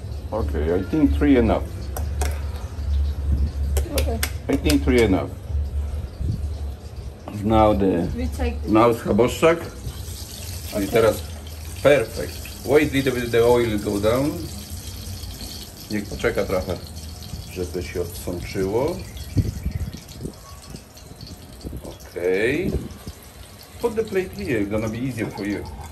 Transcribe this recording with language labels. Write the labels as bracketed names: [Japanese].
[English] Okay, I think three enough. Okay. I think three enough. Now the mouse chaboszczak. Okay. I teraz perfect. Wait little bit the oil go down. [Polish] Niech poczeka trochę, żeby się odsączyło. [English] Okay. Put the plate here, it's gonna be easier for you.